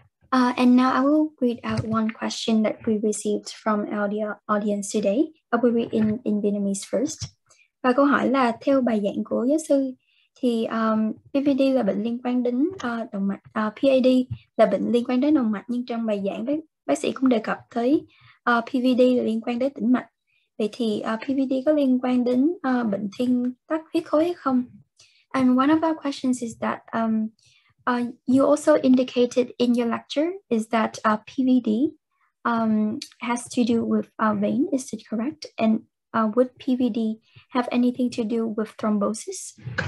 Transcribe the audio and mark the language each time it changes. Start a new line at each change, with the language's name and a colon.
English: And now I will read out one question that we received from our audience today. I will read in Vietnamese first.
Vietnamese: Và câu hỏi là theo bài giảng của giáo sư thì PVD là bệnh liên quan đến động mạch, PAD là bệnh liên quan đến động mạch, nhưng trong bài giảng bác sĩ cũng đề cập tới PVD là liên quan đến tĩnh mạch. Vậy thì PVD có liên quan đến bệnh thiên tắc huyết khối hay không?
English: And one of our questions is that you also indicated in your lecture is that PVD has to do with vein, is it correct? And would PVD have anything to do with thrombosis?